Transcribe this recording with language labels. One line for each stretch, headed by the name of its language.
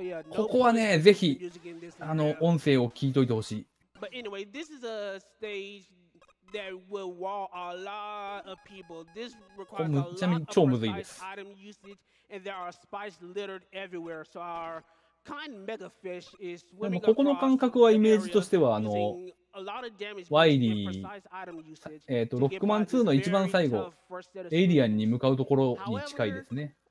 Japanese: ここはね、ぜひあの音声を聞いといてほしい。
English: But anyway, this is a stage that will wall a lot of people. This requires a lot of precise item usage, and there are spikes littered everywhere. So our
Japanese: でもここの感覚はイメージとしてはあのワイリーロックマン2の一番最後エイリアンに向かうところに近いですね。